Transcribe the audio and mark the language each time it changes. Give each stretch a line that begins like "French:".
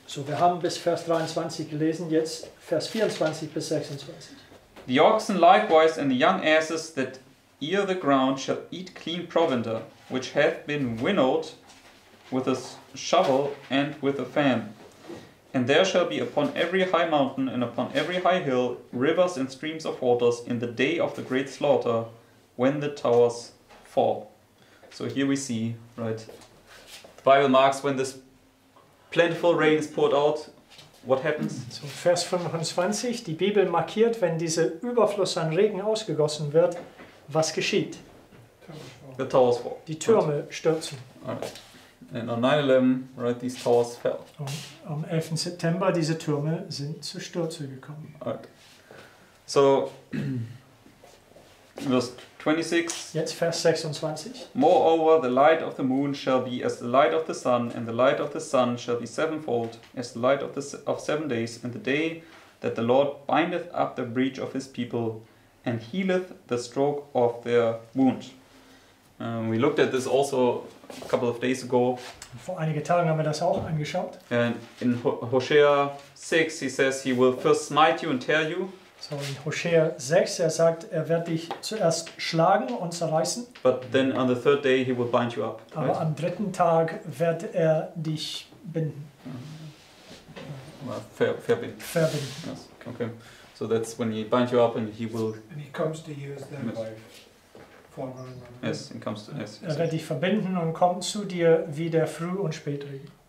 German: So wir haben bis Vers 23 gelesen, jetzt Vers 24 bis 26.
English: The oxen likewise and the young asses that ear the ground shall eat clean provender, which hath been winnowed with a shovel and with a fan. And there shall be upon every high mountain and upon every high hill rivers and streams of waters in the day of the great slaughter, when the towers fall. So here we see, right, the Bible marks when this plentiful rain is poured out, what happens?
German: So Vers 25, die Bibel markiert, wenn dieser Überfluss an Regen ausgegossen wird, was geschieht?
English: The towers fall.
German: Die Türme right. Stürzen.
English: Alright. And on 9/11, right, these towers fell.
German: Und am 11. September, diese Türme sind zu Stürze gekommen.
English: Alright. So... Verse 26.
German: Jetzt Vers 26.
English: Moreover, the light of the moon shall be as the light of the sun, and the light of the sun shall be sevenfold, as the light of of 7 days, and the day that the Lord bindeth up the breach of his people, and healeth the stroke of their wound. We looked at this also a couple of days ago.
German: Vor einige Tagen haben wir das auch angeschaut.
English: And in Hosea 6, he says he will first smite you and tear you.
German: So in Hosea 6, er sagt, er wird dich zuerst schlagen und zerreißen.
English: But then on the third day he will bind you up. Right?
German: Aber am dritten Tag wird er dich binden. Well, verbinden. Verbinden.
English: Yes. Okay. So that's when he binds you up and he will... And he comes to you as their wife. Yes, he comes to... Yes,
German: er wird dich verbinden und kommt zu dir wie der Früh- und Spätregen.